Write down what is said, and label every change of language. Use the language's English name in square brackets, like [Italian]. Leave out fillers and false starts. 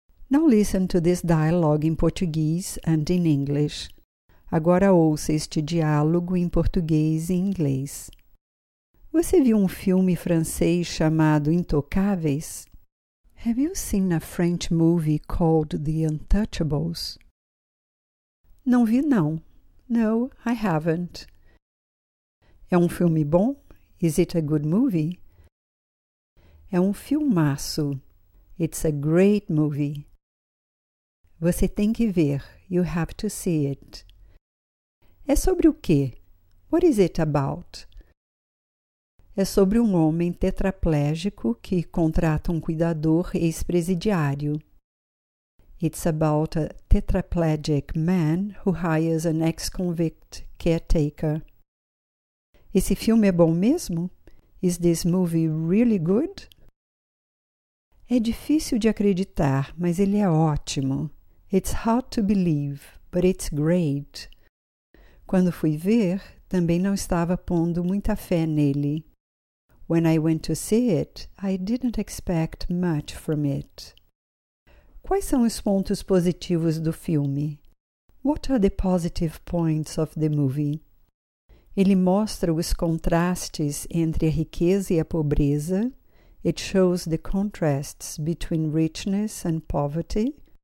[English] Now listen to this dialogue in Portuguese and in English. [Portuguese] Agora ouça este diálogo em português e inglês. Você viu um filme francês chamado Intocáveis? [English] Have you seen a French movie called The Untouchables? [Portuguese] Não vi, não. [English] No, I haven't. [Portuguese] É um filme bom? [English] Is it a good movie? [Portuguese] É um filmaço. [English] It's a great movie. [Portuguese] Você tem que ver. [English] You have to see it. [Portuguese] É sobre o quê? [English] What is it about? [Portuguese] É sobre um homem tetraplégico que contrata um cuidador ex-presidiário. [English] It's about a tetraplegic man who hires an ex-convict caretaker. [Portuguese] Esse filme é bom mesmo? [English] Is this movie really good? [Portuguese] É difícil de acreditar, mas ele é ótimo. [English] It's hard to believe, but it's great. [Portuguese] Quando fui ver, também não estava pondo muita fé nele. [English] When I went to see it, I didn't expect much from it. [Portuguese] Quais são os pontos positivos do filme? [English] What are the positive points of the movie? [Portuguese] Ele mostra os contrastes entre a riqueza e a pobreza. [English] It shows the contrasts between richness and poverty.